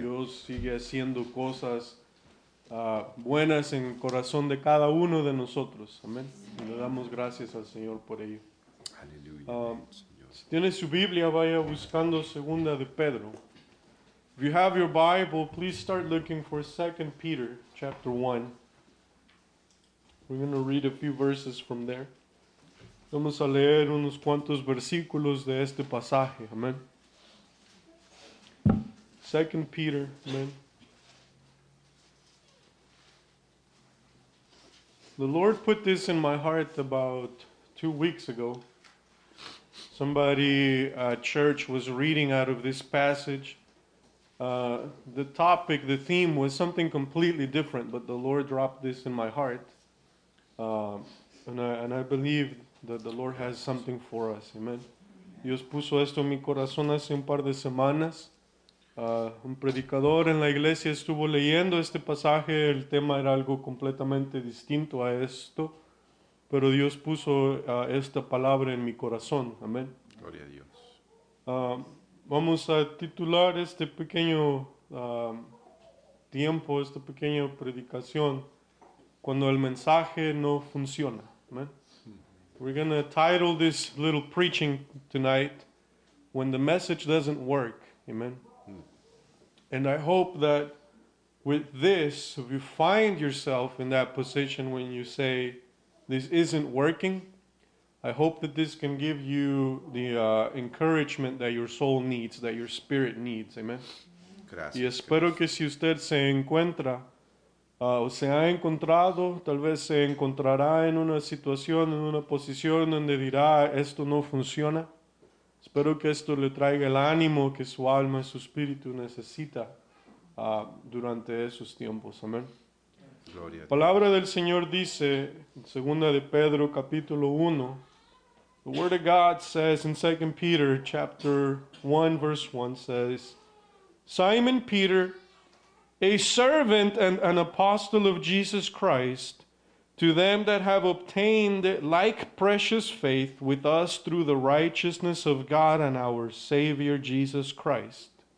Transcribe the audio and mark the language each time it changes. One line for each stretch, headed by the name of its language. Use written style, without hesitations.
Spanish: Dios sigue haciendo cosas buenas en el corazón de cada uno de nosotros. Amen. Y le damos gracias al Señor por ello. Aleluya. Si tiene su Biblia, vaya buscando Segunda de Pedro.
English: If you have your Bible, please start looking for 2 Peter, chapter 1. We're going to read a few verses from there.
Spanish: Vamos a leer unos cuantos versículos de este pasaje.
English: Amen. 2 Peter, amen. The Lord put this in my heart about 2 weeks ago. Somebody at church was reading out of this passage. The topic, the theme was something completely different, but the Lord dropped this in my heart. And I believe that the Lord has something for us. Amen.
Spanish: Dios puso esto en mi corazón hace un par de semanas. Un predicador en la iglesia estuvo leyendo este pasaje. El tema era algo completamente distinto a esto. Pero Dios puso esta palabra en mi corazón. Amén. Gloria a Dios. Vamos a titular este pequeño tiempo, esta pequeña predicación, cuando el mensaje no funciona. Amén.
English: We're going to title this little preaching tonight, When the Message Doesn't Work. Amen. And I hope that with this, if you find yourself in that position when you say, this isn't working, I hope that this can give you the encouragement that your soul needs, that your spirit needs. Amen.
Spanish: Gracias. Y espero que si usted se encuentra o se ha encontrado, tal vez se encontrará en una situación, en una posición donde dirá, esto no funciona. Espero que esto le traiga el ánimo que su alma y su espíritu necesita durante esos tiempos. Amén. Gloria. Palabra del Señor dice, en 2 de Pedro, capítulo 1.
English: The Word of God says in 2 Peter, chapter 1, verse 1, says, Simon Peter, a servant and an apostle of Jesus Christ, to them that have obtained like precious faith with us through the righteousness of God and our Savior Jesus Christ.